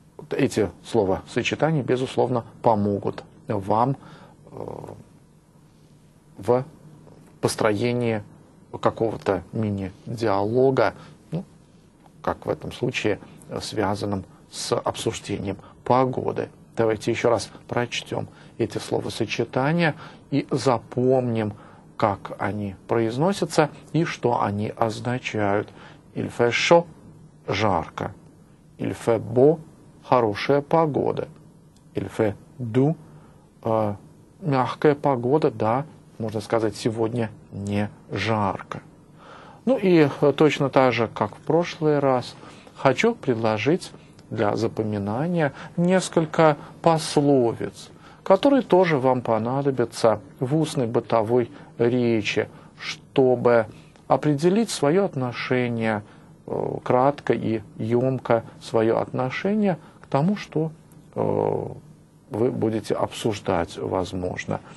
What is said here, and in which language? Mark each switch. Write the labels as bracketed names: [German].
[Russian] эти словосочетания, безусловно, помогут вам в построении какого-то мини-диалога, ну, как в этом случае, связанным с обсуждением погоды. Давайте еще раз прочтем эти словосочетания и запомним, как они произносятся и что они означают. [French] «Il fait chaud» – [Russian] жарко. [French] «Il fait beau» – [Russian] хорошая погода. [French] «Il fait doux» [Russian] – мягкая погода, да, можно сказать, сегодня не жарко. Ну и точно так же, как в прошлый раз, хочу предложить для запоминания несколько пословиц, которые тоже вам понадобятся в устной бытовой речи, чтобы определить свое отношение, кратко и емко свое отношение к тому, что вы будете обсуждать, возможно.